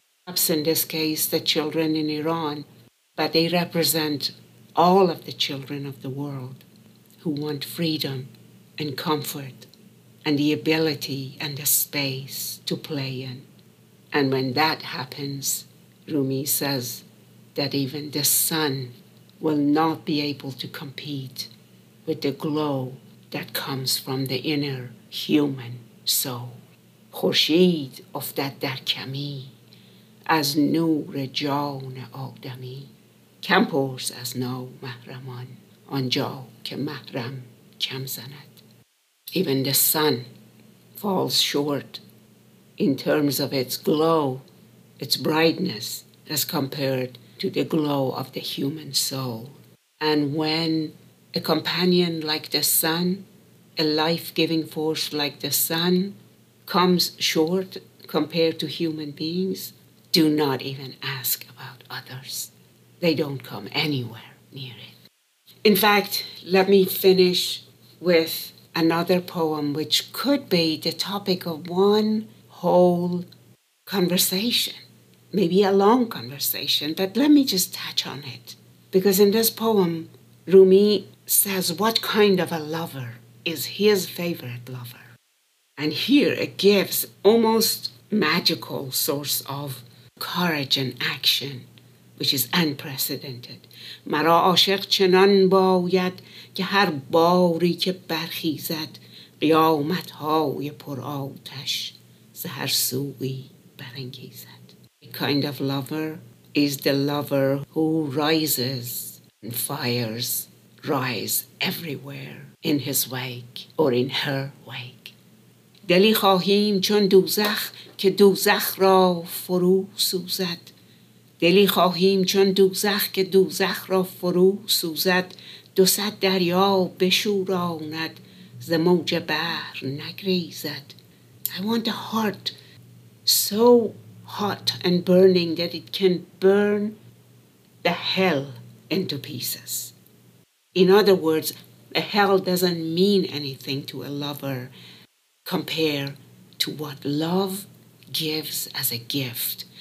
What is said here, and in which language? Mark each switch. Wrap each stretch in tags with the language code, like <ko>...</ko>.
<en>Perhaps in this case, the children in Iran, but they represent all of the children of the world who want freedom and comfort and the ability and the space to play in. And when that happens, Rumi says that even the sun will not be able to compete with the glow that comes from the inner human soul.</en> <fa>خورشید افتد در کمی از نور جان آدمی کم پرس از نو محرمان آنجا که محرم کم زند.</fa> <en>Even the sun falls short in terms of its glow, its brightness, as compared to the glow of the human soul. And when a companion like the sun, a life-giving force like the sun, comes short compared to human beings, do not even ask about others. They don't come anywhere near it. In fact, let me finish with another poem which could be the topic of one whole conversation, maybe a long conversation, but let me just touch on it. Because in this poem, Rumi says what kind of a lover is his favorite lover. And here it gives almost magical source of courage and action, which is unprecedented.</en> <fa>مرا عاشق چنان باید که هر باری که برخیزد قیامت های پر آتش زهر سوی برانگیزد.</fa> <en>A kind of lover is the lover who rises and fires rise everywhere in his wake or in her wake.</en> <fa>دلی خواهیم چون دوزخ که دوزخ را فرو سوزد. دلی خواهیم چون دوزخ که دوزخ را فرو سوزد. دو صد دریا بشوراند ز موج بحر نگریزد.</fa> <en>I want a heart so hot and burning that it can burn the hell into pieces. In other words, a hell doesn't mean anything to a lover compared to what love gives as a gift.</en>